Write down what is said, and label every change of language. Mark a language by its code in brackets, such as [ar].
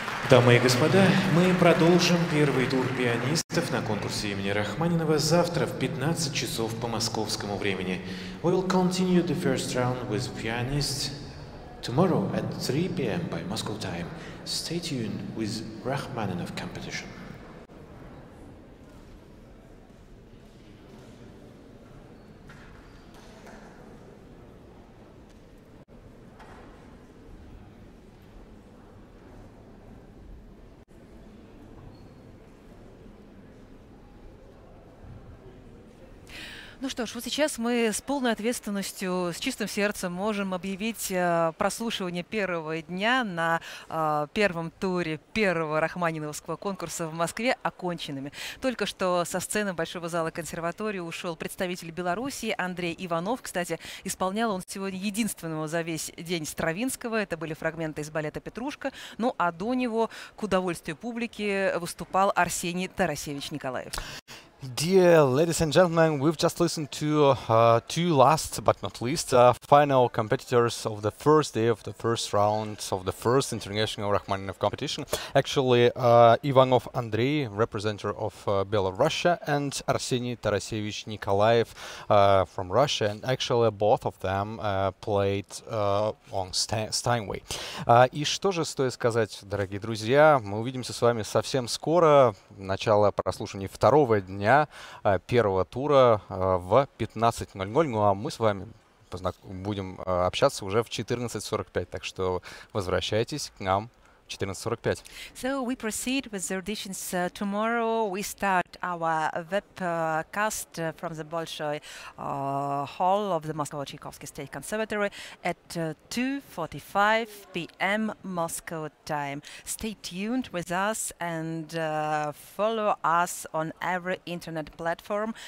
[ru] Дамы и господа, мы продолжим первый тур пианистов на конкурсе имени Рахманинова завтра в 15 часов по московскому времени. [en] We will continue the first round with pianists tomorrow at 3 p.m. by Moscow time. Stay tuned with Rachmaninov competition. [ru] Ну что ж, вот сейчас мы с полной ответственностью, с чистым сердцем можем объявить прослушивание первого дня на первом туре первого Рахманиновского конкурса в Москве оконченными. Только что со сцены Большого зала консерватории ушел представитель Белоруссии Андрей Иванов. Кстати, исполнял он сегодня единственного за весь день Стравинского. Это были фрагменты из балета «Петрушка». Ну а до него, к удовольствию публики, выступал Арсений Тарасевич Николаев. [en] Dear ladies and gentlemen, we've just listened to two last but not least final competitors of the first day of the first round of the first international Rachmaninov competition. Actually, Ivanov Andrei, representative of Belarus, and Arseniy Tarasevich Nikolaev from Russia. And actually, both of them played on Steinway. [ru] И что же стоит сказать, дорогие друзья, мы увидимся с вами совсем скоро. Начало прослушивания второго дня первого тура в 15:00. Ну а мы с вами будем общаться уже в 14:45. Так что возвращайтесь к нам. 14:45. [en] So we proceed with the auditions tomorrow. We start our webcast from the Bolshoi Hall of the Moscow Tchaikovsky State Conservatory at 2:45 p.m. Moscow time. Stay tuned with us and follow us on every internet platform.